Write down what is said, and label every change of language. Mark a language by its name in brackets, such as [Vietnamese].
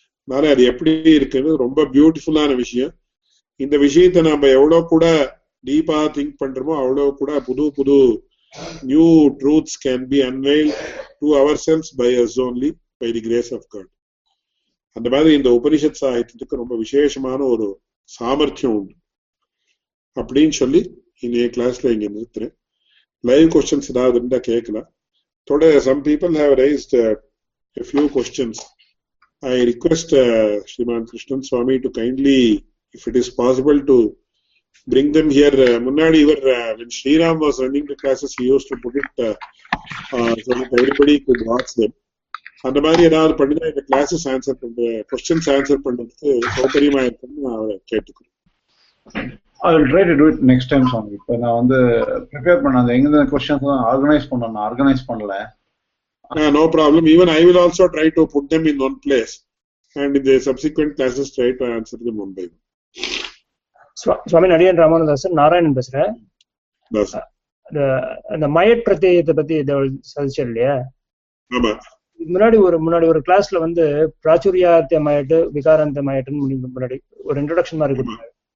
[Tamil] நானே அது எப்படி இருக்குன்னு ரொம்ப பியூட்டிஃபுல்லான விஷயம். இந்த விஷயத்த நாம எவ்வளவு கூட டீப்பா திங்க் பண்றோமோ அவ்வளவு கூட புது புது [English] New truths can be unveiled to ourselves by us only by the grace of God. [Tamil] அந்த மாதிரி இந்த உபனிஷத் சாகித்யத்துக்கு ரொம்ப விசேஷமான ஒரு சாமர்த்தியம் உண்டு அப்படின்னு சொல்லி இங்கே கிளாஸ்ல இங்க நிறுத்துறேன். லைவ் க்வெஸ்சன்ஸ் ஏதாவது இருந்தா கேட்கலாம். [English] Today, some people have raised a few questions. I request Shriman Krishnan Swami to kindly, if it is possible, to bring them here. [Tamil] Munnadi, [English] when Shri Ram was running the classes, he used to put it so that everybody could watch them. And the way that I was doing the classes, questions answered, I was trying to do it. I will try to do it next time, Swami. [Tamil] இப்ப நான் வந்து prepare பண்ணது எங்கெந்த questions தான் organise பண்ணணும் organise பண்ணல. [English] No problem. Even I will also try to put them in one place. And in the subsequent classes, try to answer them one by one. [Tamil] Swami Nadiyan Ramanathasar, Narayanan பேசுறேன். [English] Yes, sir. [Tamil] The மயட் பிரத்யேகத்தை பத்தி சொல்லிச்சு இல்லையா? ஆமா. முன்னாடி ஒரு கிளாஸ்ல வந்து பிராச்சுரியார்த்த மயட்டு விகாரந்த மயட்டுன்னு முன்னாடி ஒரு இன்ட்ரடக்ஷன் மாதிரி கொடுத்தாங்க.